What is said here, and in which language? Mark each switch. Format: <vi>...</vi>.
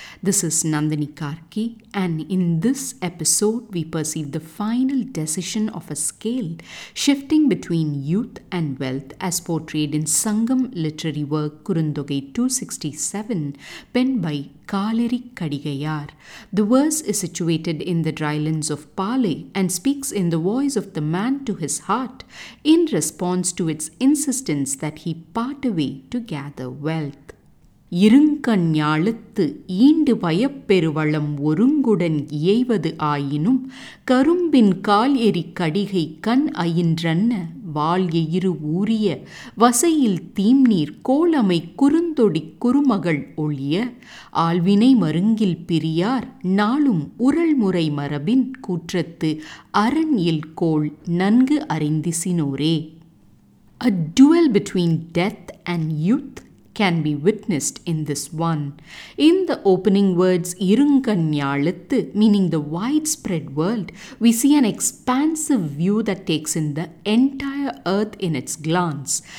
<en>This is Nandini Karki, and in this episode we perceive the final decision of a scale shifting between youth and wealth as portrayed in Sangam literary work Kurundogai 267 penned by Kaleri Kadigayar. The verse is situated in the drylands of Pali and speaks in the voice of the man to his heart in response to its insistence that he part away to gather wealth.</en> <ta>இருங்கண்ஞாழுத்து ஈண்டு வயப்பெருவளம் ஒருங்குடன் இயைவது ஆயினும் கரும்பின் கால் எரி கடிகை கண் அயின்றன்ன வாழ் எயிறு ஊறிய வசையில் தீம்நீர் கோலமை குறுந்தொடி குறுமகள் ஒழிய ஆழ்வினை மருங்கில் Briar நாளும் உரள்முறை மரபின் கூற்றத்து அரண் இல் கோள் நன்கு அறிந்திசினோரே.</ta> <en>A duel between death and youth can be witnessed in this one. In the opening words, irunganyalathu, meaning the widespread world, we see an expansive view that takes in the entire earth in its glance.</en>